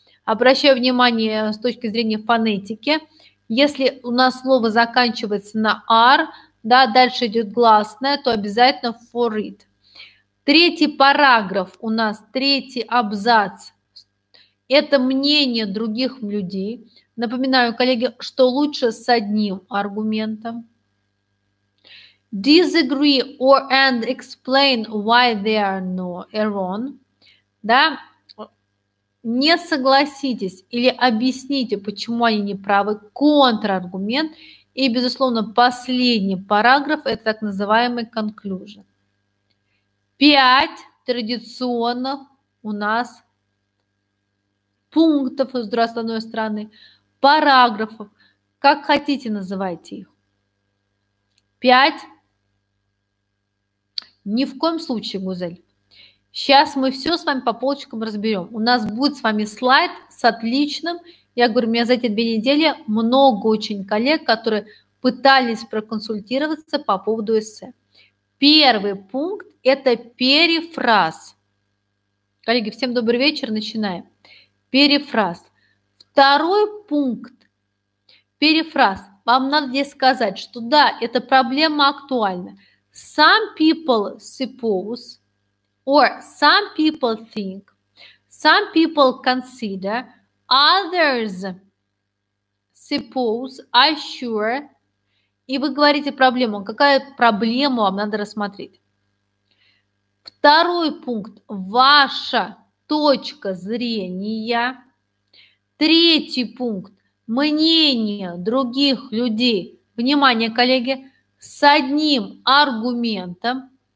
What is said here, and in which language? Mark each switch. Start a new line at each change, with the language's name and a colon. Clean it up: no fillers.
Russian: Обращаю внимание с точки зрения фонетики. Если у нас слово заканчивается на R, да, дальше идет гласное, то обязательно for it. Третий параграф у нас, третий абзац. Это мнение других людей. Напоминаю, коллеги, что лучше с одним аргументом.
English: Disagree or and explain why they are no wrong.
Russian: Да? Не согласитесь или объясните, почему они не правы. Контраргумент. И, безусловно, последний параграф – это так называемый conclusion. Пять традиционных у нас пунктов, с другой стороны, параграфов. Как хотите, называйте их. Пять. Ни в коем случае, Гузель. Сейчас мы все с вами по полочкам разберем. У нас будет с вами слайд с отличным. Я говорю, у меня за эти две недели много очень коллег, которые пытались проконсультироваться по поводу эссе. Первый пункт – это перефраз. Коллеги, всем добрый вечер, начинаем. Перефраз. Второй пункт – перефраз. Вам надо здесь сказать, что да, эта проблема актуальна.
English: Some people suppose… Or some people think, some people consider, others suppose, assure.
Russian: И вы говорите проблему. Какая проблема вам надо рассмотреть? Второй пункт. Ваша точка зрения. Третий пункт. Мнение других людей. Внимание, коллеги, с одним аргументом.